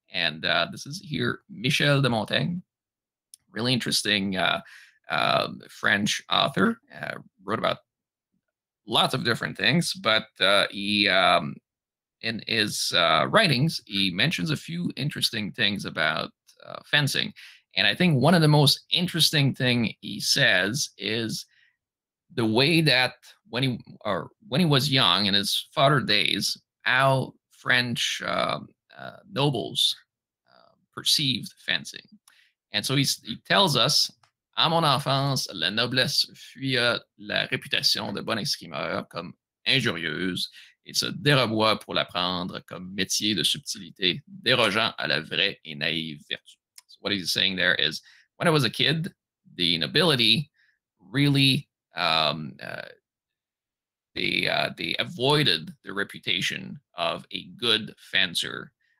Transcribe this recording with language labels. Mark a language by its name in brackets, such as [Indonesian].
[English] And this is here Michel de Montaigne, really interesting French author, wrote about lots of different things, but he in his writings, he mentions a few interesting things about fencing. And I think one of the most interesting thing he says is the way that when he was young in his father days, how French nobles perceived fencing. [French] And so he tells us, à mon enfance, la noblesse fuyait la réputation de bon escrimeur comme injurieuse et se dérobait pour la prendre comme métier de subtilité, dérogeant à la vraie et naïve vertu. [English] So what he's saying there is, when I was a kid, the nobility really, they avoided the reputation of a good fencer.